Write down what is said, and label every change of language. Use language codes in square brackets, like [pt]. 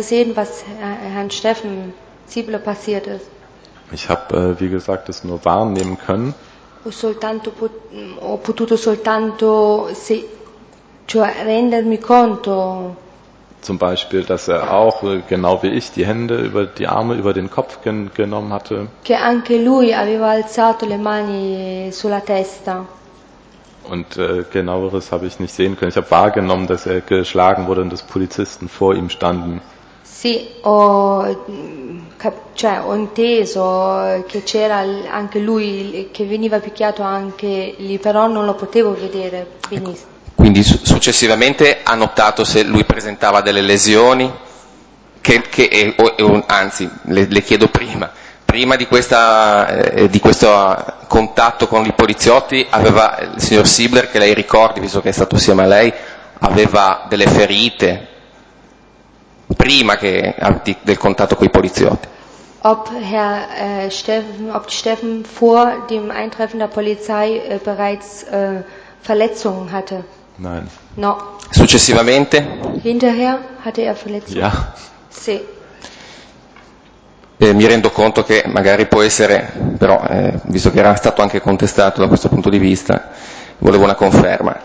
[de] sehen, was Herrn Steffen Ziegler passiert ist. Ich habe, wie gesagt, es nur wahrnehmen können. [it] Ho potuto soltanto rendermi conto. [de] Zum Beispiel, dass er auch, genau wie ich, die Hände über die Arme, über den Kopf genommen hatte. [it] Che anche lui aveva alzato le mani sulla testa. [de] Und genaueres habe ich nicht sehen können. Ich habe wahrgenommen, dass er geschlagen wurde und dass Polizisten vor ihm standen. [it] Sì, ho, cioè, ho inteso che c'era anche lui, che veniva picchiato anche lì, però non lo potevo vedere benissimo. Quindi successivamente ha notato se lui presentava delle lesioni, le chiedo prima di questo contatto con i poliziotti, aveva il signor Ziegler, che lei ricordi, visto che è stato assieme a lei, aveva delle ferite prima che del contatto con i poliziotti. [de] Ob Herr Steffen vor dem Eintreffen der Polizei bereits Verletzungen hatte? Nein. [it] No. Successivamente? [de] Hinterher hatte er Verletzungen. Ja. [it] Sì. Mi rendo conto che magari può essere, però, visto che era stato anche contestato da questo punto di vista, volevo una conferma.